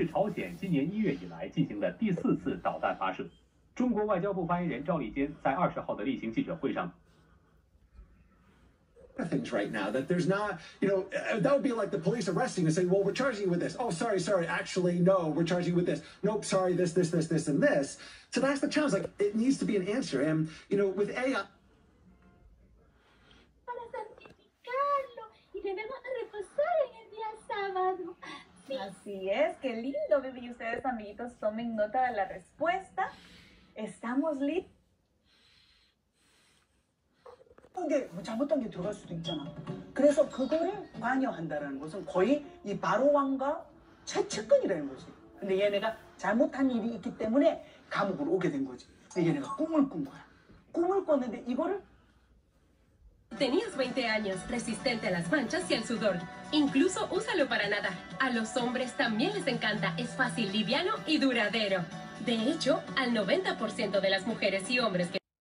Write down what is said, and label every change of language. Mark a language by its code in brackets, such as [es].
[zh] 真的好像我们可能家里有一些必要的猪猪啊，或者是小珍珠啊，你也可以。那是铃铛啊，对，小铃铛，那接下来呢，我们要做的事情就是把它切。战术导弹验收试射，两枚战术导弹精确打击了设在朝鲜东部海域的岛屿目标。这是朝鲜今年1月以来进行的第4次导弹发射。 [en] Things right now that there's not, you know, that would be like the police arresting and saying, well, we're charging you with this. Oh, sorry, sorry. Actually, no, we're charging you with this. Nope, sorry, this, this, this, this, and this. So that's the challenge. Like, it needs to be an answer. And, you know, with AI. [es] Así es, qué lindo, baby. Ustedes, amiguitos, tomen nota de la respuesta. Estamos listos. [ko] 게 잘못된 게 들어갈 수도 있잖아. 그래서 그거를 관여한다라는 것은 거의 이 바로왕과 최측근이라는 거지. 근데 얘네가 잘못한 일이 있기 때문에 감옥으로 오게 된 거지. 얘네가 꿈을 꾼 거야. 꿈을 꿨는데 이거를 [es] Tenías 20 años, resistente a las manchas y al sudor. Incluso úsalo para nadar. A los hombres también les encanta. Es fácil, liviano y duradero. De hecho, al 90% de las mujeres y hombres que...